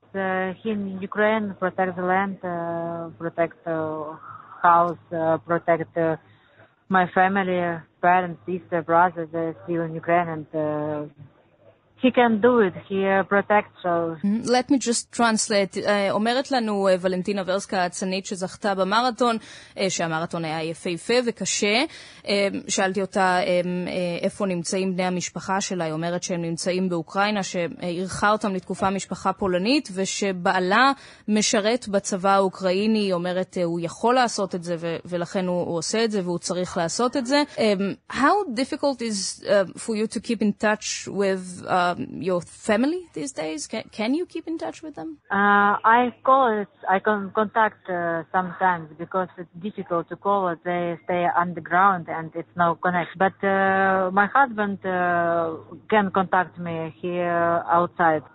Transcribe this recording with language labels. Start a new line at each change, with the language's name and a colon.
English: He in Ukraine protect the land, protect house, protect my family, parents, sister, brother, they're still in Ukraine, and he can do it, he protects us. Let me just translate.
Hebrew: אומרת לנו ולנטינה ורסקה, הצנית שזכתה במרתון, שהמרתון היה יפהפה וקשה. שאלתי אותה איפה נמצאים בני המשפחה שלה. היא אומרת שהם נמצאים באוקראינה, שאירחה אותם לתקופה משפחה פולנית, ושבעלה משרת בצבא האוקראיני. היא אומרת הוא יכול לעשות את זה, ולכן הוא עושה את זה, והוא צריך לעשות את זה.
English: How difficult is for you to keep in touch with your family these days? Can you keep in touch with them? I contact sometimes, because it's difficult to call. They stay underground and it's no connect. But my husband can contact me here outside.